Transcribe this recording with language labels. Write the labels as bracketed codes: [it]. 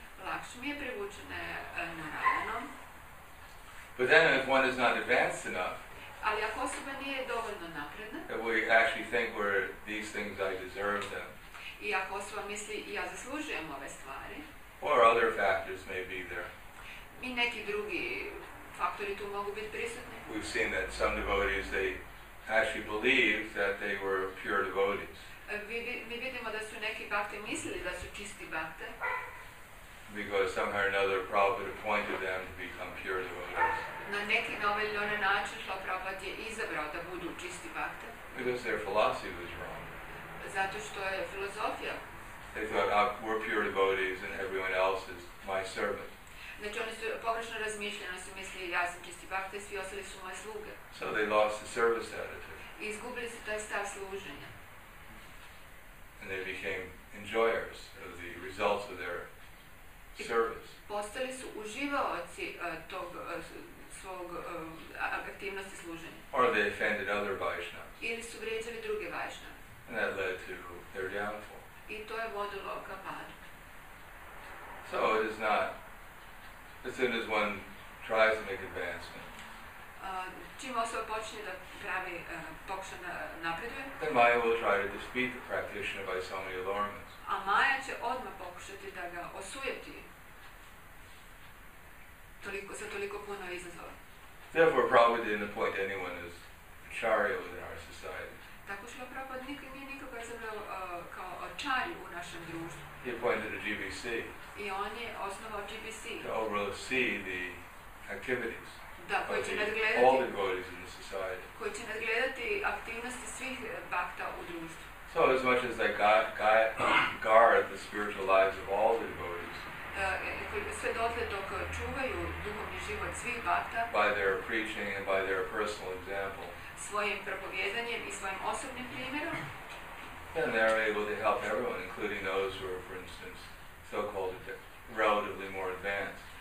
[hr] Lakshmi je privučena Narayanom. [en] But then if one is not advanced enough, [hr] ali ako osoba nije dovoljno napredna, [en] that we actually think we're these things, I deserve them. [hr] I ako osoba misli, ja zaslužujem ove stvari. [en] Or other factors may be there. [hr] I neki drugi faktori tu mogu biti prisutni. [en] We've seen that some devotees, they actually believe that they were pure devotees. [hr] Mi vidimo da su neki bhakti mislili da su čisti bhakti. [en] Because somehow or another Prabhupada appointed them to become pure devotees. [hr] Na neki novel ili onaj način što Prabhupada je izabrao da budu čisti bhakti. [en] Because their philosophy was wrong. [hr] Zato što je filozofija. [en] They thought, we're pure devotees and everyone else is my servant. [hr] Znači oni su pogrešno razmišljali, oni su mislili ja sam čisti bhakti, svi ostali su moje sluge. [en] So they lost the service attitude. [hr] I izgubili su taj stav služenja. [en] And they became enjoyers of the results of their service. [hr] Postali su uživaoci tog svog aktivnosti služenja. [en] Or they offended other Vaishnavas. [hr] Ili su vrijeđali druge Vaishnave. [en] And that led to their downfall. [hr] I to je vodilo ka padu. [en] So it is not, as soon as one tries to make advancement, [hr] čim osoba počne da pravi pokuša da napreduje, [en] then Maya will try to defeat the practitioner by so many allurements. [hr] A Maya će odmah pokušati da ga osujeti sa toliko puno izazova. [en] Therefore, Prabhupada didn't appoint anyone as acharya within our society. [hr] Tako što Prabhupada nije nikoga izabrao kao acharya u našem društvu. [en] He appointed a GBC. [hr] I on je osnovao GBC. [en] To oversee the activities. [hr] Da, koji će nadgledati [en] all the devotees in the society. [hr] Koji će nadgledati aktivnosti svih bhakta u društvu. [en] So as much as they guard the spiritual lives of all the devotees. [hr] Sve dotle dok čuvaju duhovni život svih bhakta. [en] By their preaching and by their personal example. [hr] Svojim propovjedanjem i svojim osobnim primjerom. [en] Then they are able to help everyone, including those who are, for instance, so-called relatively more advanced.